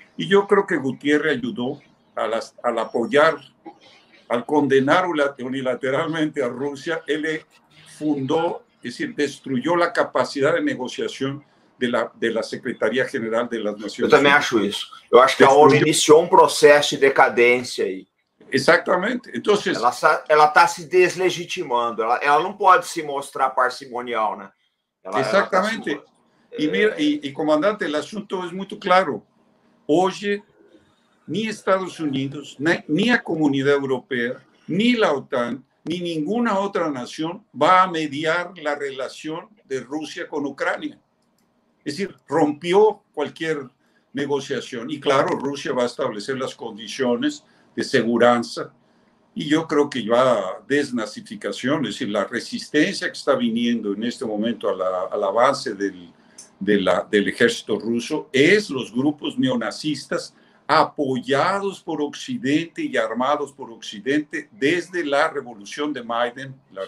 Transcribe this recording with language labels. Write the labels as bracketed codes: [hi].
[es] Y yo creo que Gutiérrez ayudó al apoyar, al condenar unilateralmente a Rusia, él fundó, es decir, destruyó la capacidad de negociación de la Secretaría General de las Naciones Unidas. Yo también acho eso. Yo acho que la ONU inició un proceso de decadencia ahí. Exactamente. Entonces, [pt] ela está se deslegitimando, ela não pode se mostrar parcimonial, né? Exatamente. E comandante, o assunto é muito claro. Hoje, nem Estados Unidos, nem a comunidade europeia, nem a OTAN, nem nenhuma outra nação vai mediar a relação de Rússia com a Ucrânia. [es] Es decir, rompió cualquier negociación. Y claro, Rusia va a establecer las condiciones de seguridad. Y yo creo que va a desnazificación. Es decir, la resistencia que está viniendo en este momento al avance del ejército ruso es los grupos neonazistas apoyados por Occidente y armados por Occidente desde la revolución de Maidan.